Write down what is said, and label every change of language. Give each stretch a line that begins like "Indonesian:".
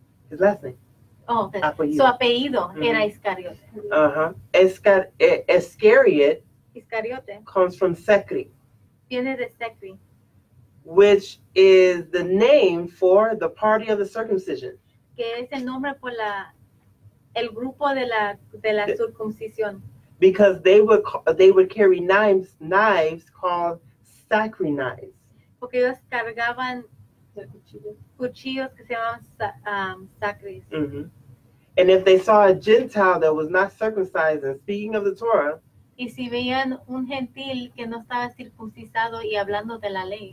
English: His last name.
Spanish: Oh, apellido. Su apellido, mm-hmm, era Iscariot. Uh-huh. Iscariot. Iscariote.
English: Comes from Secri.
Spanish: Viene de Secri.
English: Which is the name for the party of the circumcision.
Spanish: Que es el nombre por la el grupo de la circuncisión.
English: Because they would carry knives called Sacri knives.
Spanish: Porque ellos cargaban cuchillos que se llamaban sacris. Mm-hmm.
English: And if they saw a Gentile that was not circumcised, and speaking of the Torah,
Spanish: y si veían un gentil que no estaba circuncisado y hablando de la ley,